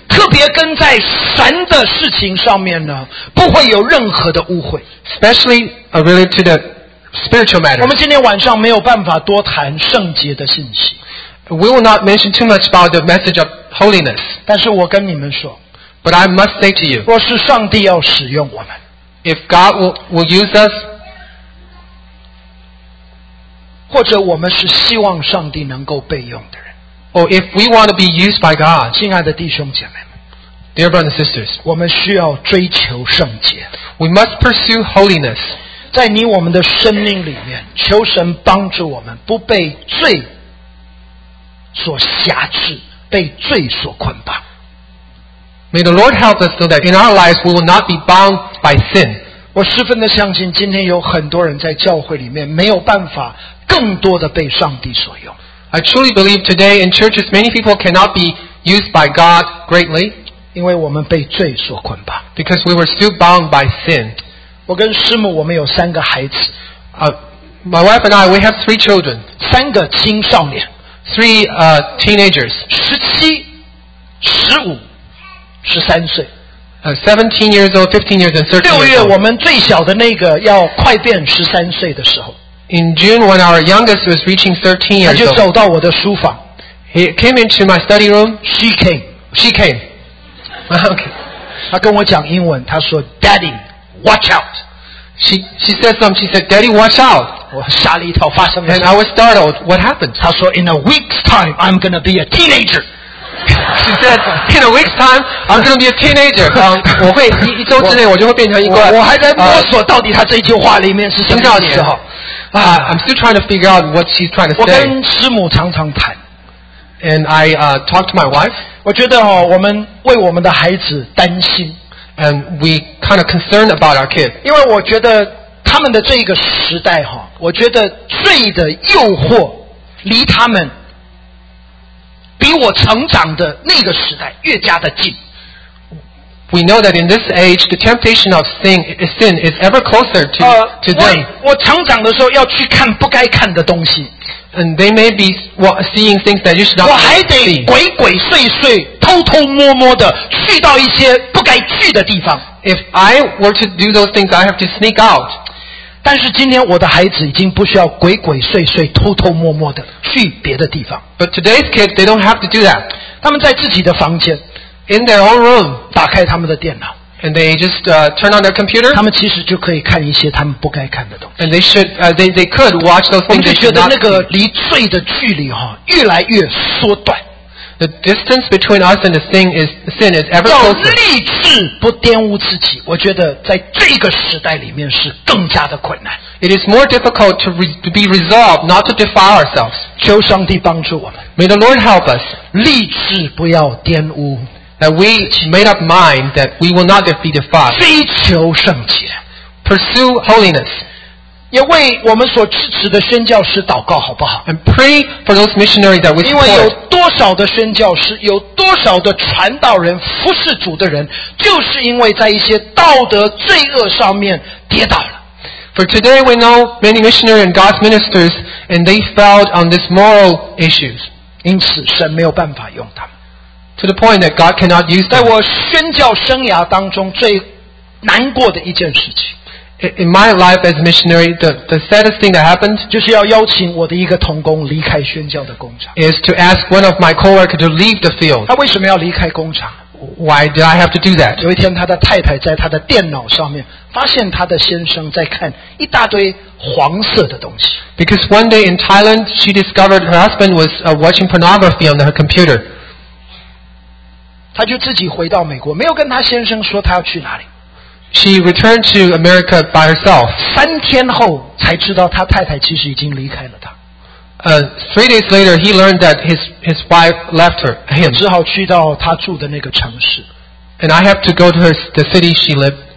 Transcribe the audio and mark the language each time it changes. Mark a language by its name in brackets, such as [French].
[Chinese] 特别跟在神的事情上面呢，不会有任何的污秽。 [English] Especially related to the spiritual matters. [Chinese] 我们今天晚上没有办法多谈圣洁的信息。 [English] We will not mention too much about the message of holiness. [Chinese] 但是我跟你们说， [English] But I must say to you, [Chinese] 若是上帝要使用我们， [English] If God will use us, [Chinese] 或者我们是希望上帝能够被用的人， [English] Or if we want to be used by God, [Chinese] 亲爱的弟兄姐妹们， [English] Dear brothers and sisters, [Chinese] 我们需要追求圣洁， [English] We must pursue holiness. [Chinese] 在你我们的生命里面，求神帮助我们不被罪所辖制，被罪所捆绑。 [English] May the Lord help us so that in our lives we will not be bound by sin. [Chinese] 我十分的相信，今天有很多人在教会里面没有办法更多的被上帝所用。 [English] I truly believe today in churches many people cannot be used by God greatly. [Chinese] 因为我们被罪所捆绑。 [English] Because we were still bound by sin. [Chinese] 我跟师母，我们有三个孩子。 [English] My wife and I, we have three children. [Chinese] 三个青少年。 [English] Three teenagers. [Chinese] 17, 15, 13岁。 [English] 17 years old, 15 years and 13 years old. [Chinese] 6月我们最小的那个要快变13岁的时候。 [English] In June when our youngest was reaching 13 years old. [Chinese] 他就走到我的书房。 [English] He came into my study room. She came. She came. Okay. [Chinese] 他跟我讲英文，他说 [English] Daddy, watch out. She said something. She said, Daddy, watch out. [Chinese] 我吓了一跳，发生了。 [English] And I was startled. What happened? [Chinese] 她说 [English] ，In a week's time, I'm gonna be a teenager. She said, In a week's time, I'm gonna be a teenager. [Chinese] 我会一周之内，我就会变成一个。我还在摸索到底她这句话里面是什么意思。 [English] I'm still trying to figure out what she's trying to say. [Chinese] 我跟师母常常谈。 [English] And I talk to my wife. [Chinese] 我觉得我们为我们的孩子担心。 [English] And we kind of concerned about our kids. [Chinese] 因为我觉得他们的这个时代，我觉得罪的诱惑离他们比我成长的那个时代越加的近。 [English] We know that in this age, the temptation of sin is ever closer to them. [Chinese] 我成长的时候要去看不该看的东西。 [English] And they may be seeing things that you should not see. [Chinese] 我还得鬼鬼祟祟偷偷摸摸的去到一些不该去的地方。 [English] If I were to do those things, I have to sneak out. [Chinese] 但是今天我的孩子已经不需要鬼鬼祟祟偷偷摸摸的去别的地方。 [English] But today's kids, they don't have to do that. [Chinese] 他们在自己的房间。 [English] In their own room. [Chinese] 打开他们的电脑。 [English] And they just turn on their computer. [Chinese] 他们其实就可以看一些他们不该看的东西。 [English] And they should, they could watch those things. [Chinese] 我们就觉得那个离罪的距离哈越来越缩短。 [English] The distance between us and sin is ever closer. [Chinese] 要立志不玷污自己，我觉得在这个时代里面是更加的困难。 [English] It is more difficult to be resolved not to defile ourselves. [Chinese] 求上帝帮助我们。 [English] May the Lord help us. [Chinese] 立志不要玷污。 [English] That we made up mind that we will not be defiled. [Chinese] 追求圣洁。 [English] pursue holiness. [Chinese] 也为我们所支持的宣教师祷告，好不好？ [English] And pray for those missionaries that we support. [Chinese] 因为有多少的宣教师，有多少的传道人，服侍主的人，就是因为在一些道德罪恶上面跌倒了。 [English] For today we know many missionaries and God's ministers, and they fell on these moral issues. [Chinese] 因此神没有办法用他们。 [English] To the point that God cannot use them. [Chinese] 在我宣教生涯当中最难过的一件事情。 [English] In my life as a missionary, the saddest thing that happened [Chinese] 就是要邀请我的一个同工离开宣教的工厂。 [English] Is to ask one of my co-workers to leave the field. [Chinese] 他为什么要离开工厂？ [English] Why do I have to do that? [Chinese] 有一天他的太太在他的电脑上面发现他的先生在看一大堆黄色的东西。 [English] Because one day in Thailand, she discovered her husband was watching pornography on her computer. [Chinese] 他就自己回到美国，没有跟他先生说他要去哪里。 [English] She returned to America by herself. [Chinese] 三天后才知道他太太其实已经离开了他。 [English] Three days later, he learned that his wife left her, him. [Chinese] 只好去到他住的那个城市。 [English] And I have to go to the city she lived.